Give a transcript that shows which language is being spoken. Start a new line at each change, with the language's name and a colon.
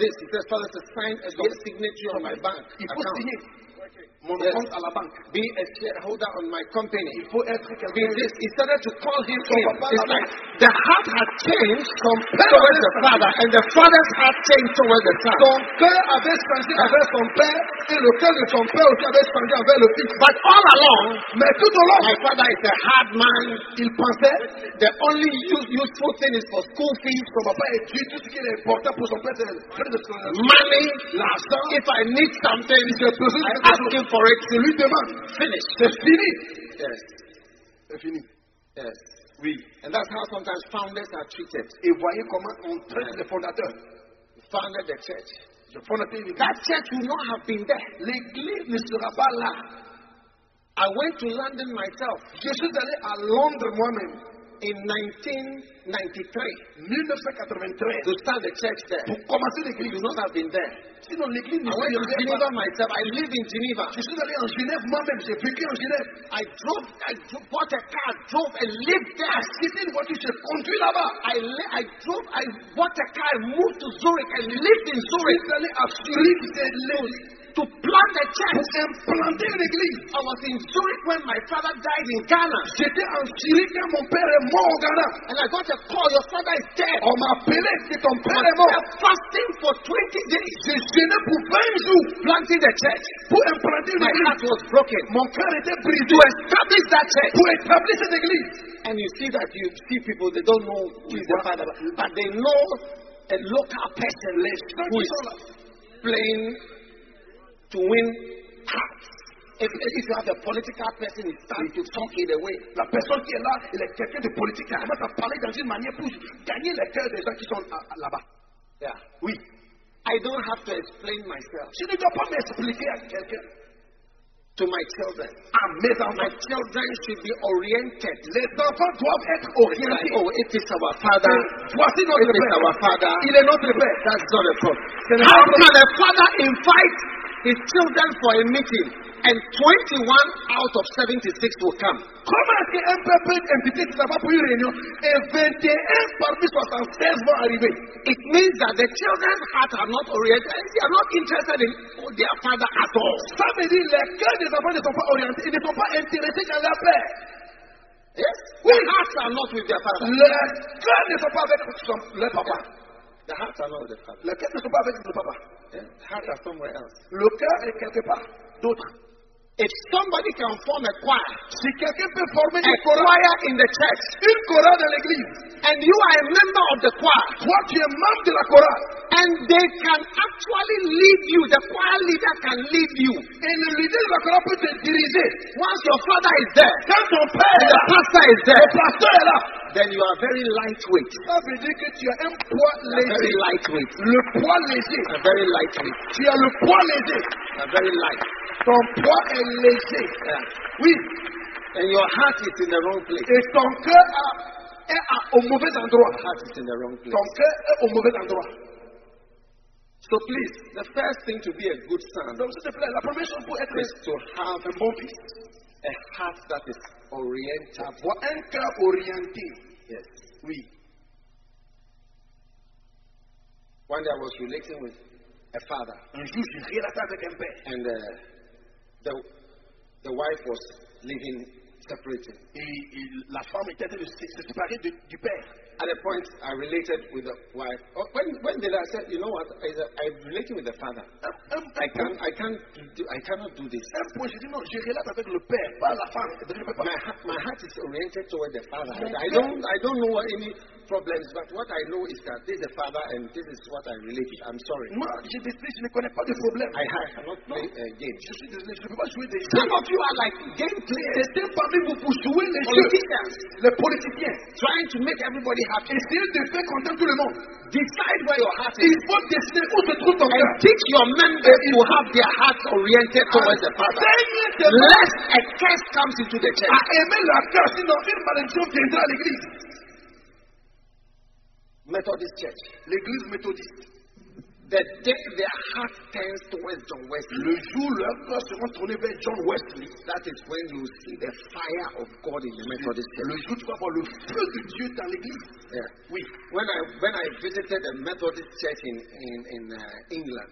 English: Then this. He said, father, to sign a signature on my bank.
French: Il faut signer. Mon yes. Compte à la banque.
English: Be a shareholder on my company.
French: Il faut être
English: quelqu'un. This, he started to call him from papa. It's like the heart has changed compared to the father, and the father's heart changed towards the son.
French: Son cœur avait changé avec son père, et le cœur de son père aussi avait changé avec le fils.
English: But all along,
French: mais tout au long,
English: my father is a hard man.
French: Il pensait
English: the only useful thing is for school fees.
French: Son papa est dit tout ce qui est important pour son père, c'est le prix de son
English: money,
French: l'argent.
English: If I need something,
French: je peux
English: I ask him for it.
French: C'est lui demain.
English: Finish.
French: C'est fini.
English: Yes.
French: C'est fini.
English: Yes.
French: Oui.
English: And that's how sometimes founders are treated.
French: Et voyez comment on traite les fondateurs.
English: Founded the church. The fondateur. That church will not have been there.
French: L'église ne sera pas là.
English: I went to London myself.
French: Je suis allé à Londres moi-même.
English: In 1993. To start the church there.
French: Pour commencer l'église.
English: Will not have been there.
French: Sinon, l'église
English: I went to Geneva myself. I live in Geneva.
French: Je suis allé en Genève moi-même. J'ai vécu en Genève.
English: I bought a car, drove and lived there. Sitting what you should conduit là-bas. I bought a car, moved to Zurich and lived in Zurich.
French: Je suis allé à Zurich, j'ai lived.
English: To plant a church.
French: Pour implanter une église.
English: I was in Zurich when my father died in Ghana.
French: J'étais en Zurich quand mon père est mort au Ghana.
English: And I got a call. Your father is dead.
French: On m'a appelé que ton père est mort.
English: Fasting for 20 days.
French: Je jeûnais pour 20 jours.
English: Planting the church.
French: Pour implanter une église.
English: My heart was broken.
French: Mon cœur était brisé.
English: To establish that church.
French: Pour établir cette église.
English: And you see that you see people, they don't know who is their father. But they know a local person left who is playing to win hearts. If you have a political person, it starts to talk in a way.
French: La personne qui est là, il est quelqu'un de politique. Elle commence à parler dans une manière pour gagner le cœur des gens qui sont là-bas.
English: Yeah.
French: Oui.
English: I don't have to explain myself.
French: Je ne dois pas m'expliquer à quelqu'un.
English: To my children.
French: Ah, mes enfants.
English: My children should be oriented.
French: Les enfants doivent être orientés.
English: Like, oh, it is our father.
French: Voici notre
English: it
French: père.
English: Is our father.
French: Il est notre père.
English: That's not a problem. How can a father invite his children for a meeting and 21 out of 76 will come?
French: Comment est-ce qu'un père peut inviter ses enfants pour une réunion et 21 parmi 76 vont arriver?
English: It means that the children's hearts are not oriented. They are not interested in their father at all.
French: Ça veut dire que les cœurs des enfants ne sont pas orientés. Ils ne sont pas intéressés dans leur père.
English: Yes?
French: Oui.
English: Their hearts are not with their father.
French: Les cœurs ne sont pas avec leur papa.
English: The hearts are not with their father.
French: Les cœurs ne sont pas avec leur papa.
English: The hearts are somewhere else.
French: Le cœur est quelque part d'autre.
English: If somebody can form a choir,
French: si quelqu'un peut former
English: a choir in the church,
French: une chorale de l'église,
English: and you are a member of the choir,
French: toi tu es membre de la chorale,
English: and they can actually lead you, the choir leader can lead you,
French: et le leader de la chorale peut te diriger,
English: once your father is there,
French: quand ton père est là,
English: the pastor is there,
French: le pasteur est là,
English: then you are very lightweight.
French: Ça veut dire que tu as un poids léger.
English: Very lightweight.
French: Le poids léger.
English: A very lightweight.
French: Tu as le poids léger.
English: A very light.
French: Ton poids est léger.
English: Yeah.
French: Oui.
English: And your heart is in the wrong place.
French: Et ton cœur est au mauvais endroit.
English: Your heart is in the wrong place.
French: Ton cœur est au mauvais endroit.
English: So please, the first thing to be a good son.
French: Donc s'il te plaît, la première chose pour être
English: is to have
French: a bon fils.
English: A heart that is oriented.
French: Avoir un cœur orienté.
English: Yes.
French: Oui.
English: One day I was relating with a father.
French: Un jour, je relatais avec un père.
English: And the wife was living separated.
French: Et la femme était se séparer du père.
English: At a point, I related with the wife. Oh, when did I say, you know what? I'm relating with the father. I cannot do this.
French: Un point, je dis non, je relate avec le père, pas la femme.
English: My heart is oriented toward the father. I don't know any problems, but what I know is that this is the father and this is what I relate to. I'm sorry.
French: Moi, je disais, je ne connais pas de problème.
English: I cannot play games.
French: Je suis désolé, je ne peux pas jouer des
English: jeux. Some of you are like game players.
French: C'était parmi vous pour jouer les politiciens. Les politiciens.
English: Trying to make everybody
French: essayez de faire content tout le monde.
English: Decide where your heart is.
French: Il faut décider où se trouve ton cœur.
English: And teach your members to have their hearts oriented towards the Father. Lest a curse comes into the church.
French: À aimer la curse, sinon une malédiction viendra à l'église.
English: Methodist Church.
French: L'église méthodiste.
English: The day their heart turns towards John Wesley.
French: Le jour leur cœur sera tourné vers John Wesley.
English: That is when you see the fire of God in the Methodist Church.
French: Le jour tu vas voir le feu de Dieu dans l'église.
English: Yeah.
French: Oui.
English: When I visited the Methodist Church in England.